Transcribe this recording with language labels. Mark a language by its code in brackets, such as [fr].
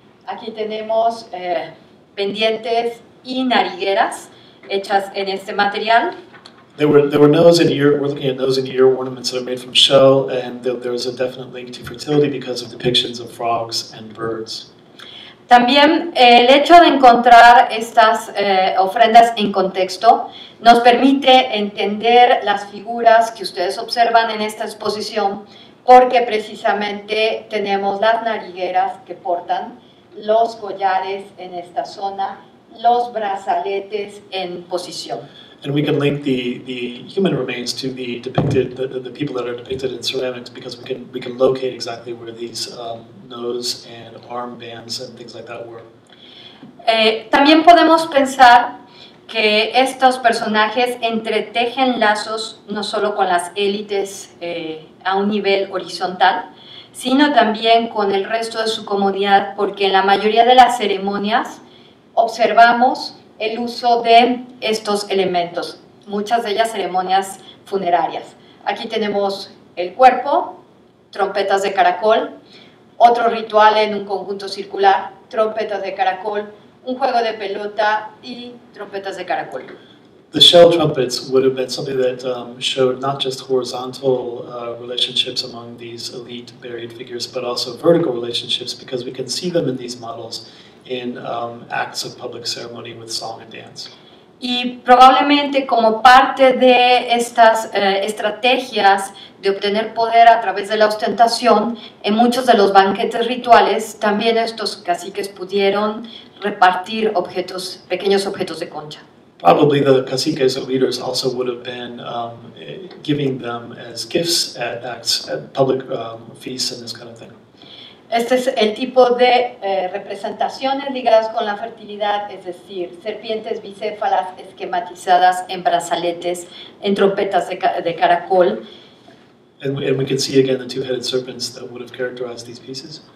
[es] Aquí tenemos pendientes y narigueras hechas en este material. [en] There were nose and ear, we're looking at nose and ear ornaments that are made from shell, and there's a definite link to fertility because of depictions of frogs and birds. [es] También el hecho de encontrar estas ofrendas en contexto nos permite entender las figuras que ustedes observan en esta exposición, porque precisamente tenemos las narigueras que portan, los collares en esta zona, los brazaletes en posición. [en] And we can link the human remains to the depicted, the people that are depicted in ceramics, because we can locate exactly where these nose and arm bands and things like that were. [es] También podemos pensar que estos personajes entretejen lazos no solo con las élites a un nivel horizontal, sino también con el resto de su comunidad, porque en la mayoría de las ceremonias observamos el uso de estos elementos, muchas de ellas ceremonias funerarias. Aquí tenemos el cuerpo, trompetas de caracol, otro ritual en un conjunto circular, trompetas de caracol, un juego de pelota y trompetas de caracol. [en] The shell trumpets would have been something that showed not just horizontal relationships among these elite buried figures, but also vertical relationships because we can see them in these models in acts of public ceremony with song and dance. [es] Y probablemente como parte de estas estrategias de obtener poder a través de la ostentación, en muchos de los banquetes rituales, también estos caciques pudieron repartir objetos, pequeños objetos de concha. [en] Probably the caciques or leaders also would have been giving them as gifts at acts, at public feasts and this kind of thing. [es] Este es el tipo de representaciones ligadas con la fertilidad, es decir, serpientes bicéfalas esquematizadas en brazaletes, en trompetas de caracol. [en] And we can see again the two-headed serpents that would have characterized these pieces.